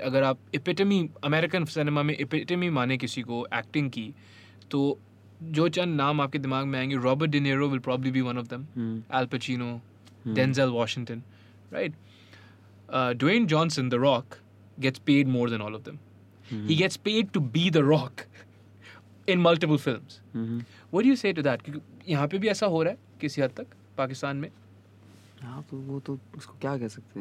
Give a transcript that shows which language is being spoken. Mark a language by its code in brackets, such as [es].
[hi] अगर आप इपिटमी American cinema में इपिटमी माने किसी को एक्टिंग की, तो जो चंद नाम आपके दिमाग में आएंगे, Robert De Niro [en] will probably be one of them, [hi] Al Pacino, Denzel Washington, right? [en] Dwayne Johnson, The Rock, gets paid more than all of them. He gets paid to be The Rock in multiple films. What do you say to that? [hi] यहाँ पे भी ऐसा हो रहा है किसी हद तक पाकिस्तान में. हाँ तो वो तो उसको क्या कह सकते